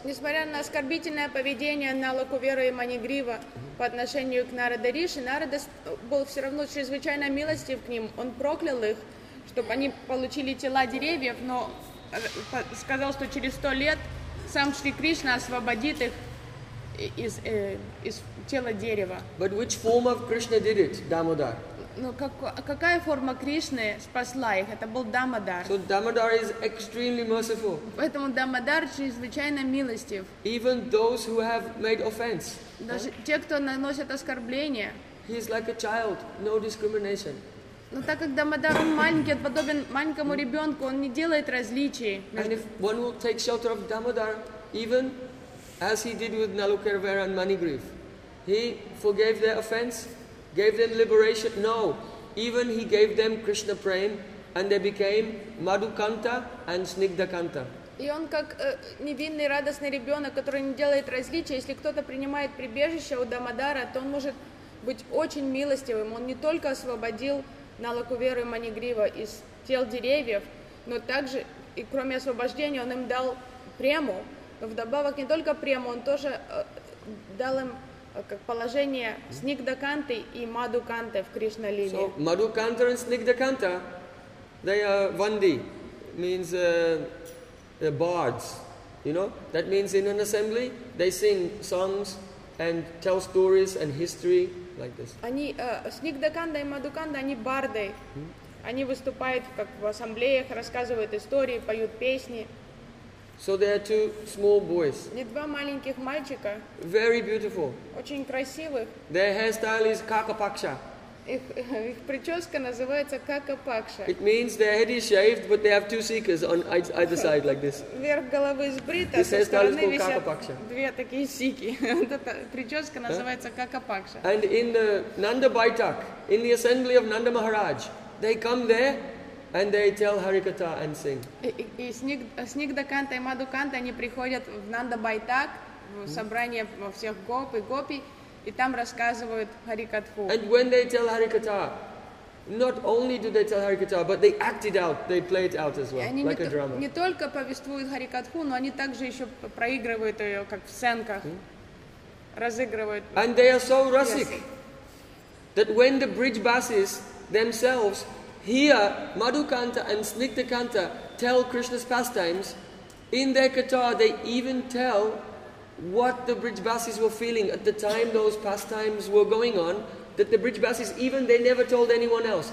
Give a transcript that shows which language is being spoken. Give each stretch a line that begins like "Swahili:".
Russian: Несмотря на оскорбительное поведение Нала Кувера и Манигрива по отношению к Нарадариши, Нарада был все равно чрезвычайно милостив к ним. Он проклял их, чтобы они получили тела деревьев, но сказал, что через 100 лет сам Шри Кришна освободит их из тела дерева.
English: But which form of Krishna did it, Damodar?
Russian: Ну, какая форма Кришны спасла их? Это был Дамодар.
English: So Damodar is extremely merciful.
Russian: Поэтому Дамодар чрезвычайно милостив.
English: Even those who have made offense.
Russian: Даже те, кто наносят оскорбления.
English: He is like a child, no discrimination.
Russian: Но так как Дамодар он маленький, подобен маленькому ребенку, он не делает различий.
English: And if one will take shelter of Damodar, even as he did with Nalukervera and Manigriv, he forgave their offense. Gave them liberation? No. Even he gave them Krishna Prem, and they became Madhukanta and Snigdhakanta.
Russian: И он как невинный радостный ребенок, который не делает различия. Если кто-то принимает прибежище у Дамодара, то он может быть очень милостивым. Он не только освободил Налакуверу и Манигрива из тел деревьев, но также и кроме освобождения он им дал прему. Но вдобавок не только прему, он тоже дал им как положение Снигдаканты и Мадуканты в Кришналиле.
English: So, Мадуканта and Снигдаканта, they are Ванди, means bards, you know? That means in an assembly, they sing songs and tell stories and history like this.
Russian: Они, Снигдаканта и Мадуканта, они барды. Они выступают как в ассамблеях, рассказывают истории, поют песни.
English: So there are two small boys.
Russian: И два маленьких мальчика.
English: Very beautiful.
Russian: Очень красивых.
English: Their hairstyle is kakapaksha.
Russian: Их прическа называется kakapaksha.
English: It means their head is shaved, but they have two seekers on either side like this.
Russian: Верх головы сбрит, а со стороны висят две такие сики. Прическа называется kakapaksha.
English: And in the Nanda Baitak, in the assembly of Nanda Maharaj, they come there. And they tell Harikatha and sing.
Russian: И Снигдаканта и Мадуканта, они приходят в Нанда Байтак, в собрание всех гоп и гопи, и там рассказывают Харикатху.
English: And when they tell Harikatha, Not only do they tell Harikatha, but they act it out, they play it out as well, like a drama.
Russian: Не только повествуют Харикатху, но они также еще проигрывают ее, как в сценках, разыгрывают.
English: And they are so rasic that when the bridge buses themselves hear Madhukanta and Snigdhakanta tell Krishna's pastimes, in their katha they even tell what the bridge buses were feeling at the time those pastimes were going on, that the bridge buses, even they never told anyone else.